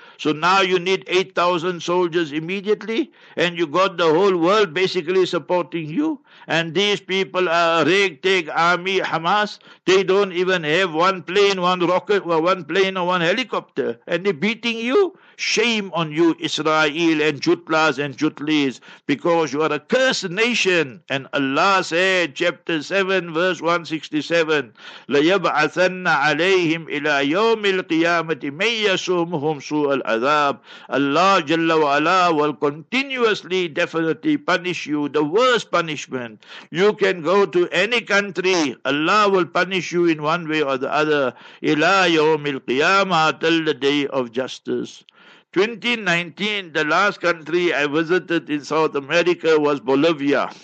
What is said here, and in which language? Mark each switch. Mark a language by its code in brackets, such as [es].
[en] So now you need 8,000 soldiers immediately, and you got the whole world basically supporting you. And these people are a ragtag army, Hamas. They don't even have one plane, one rocket, or one plane or one helicopter, and they're beating you. Shame on you, Israel and Jutlas and Jutlis, because you are a cursed nation. And Allah said, chapter 7, verse 167, [ar] لَيَبْعَثَنَّ عَلَيْهِمْ إِلَىٰ يَوْمِ الْقِيَامَةِ مَنْ يَسُومُهُمْ سُوءَ الْعَذَابِ. [en] Allah Jalla wa Ala will continuously, definitely punish you, the worst punishment. You can go to any country, Allah will punish you in one way or the other. [ar] إِلَىٰ يَوْمِ الْقِيَامَةِ, [en] till the day of justice. 2019, the last country I visited in South America was Bolivia.